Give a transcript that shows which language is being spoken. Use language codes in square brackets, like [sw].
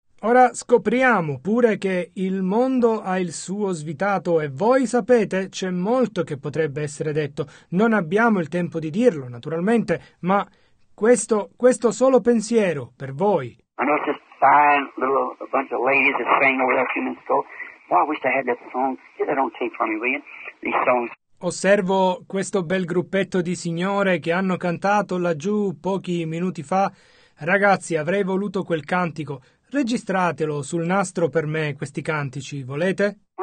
[it] Ora scopriamo pure che il mondo ha il suo svitato e voi sapete c'è molto che potrebbe essere detto. Non abbiamo il tempo di dirlo, naturalmente, ma questo solo pensiero per voi. [en] I know it's just fine, a bunch of ladies that sang over there a few minutes ago. Well, I wish I had that song. Get that on tape for me, will you? These songs. [it] Osservo questo bel gruppetto di signore che hanno cantato laggiù pochi minuti fa. Ragazzi, avrei voluto quel cantico. Registratelo sul nastro per me, questi cantici, volete?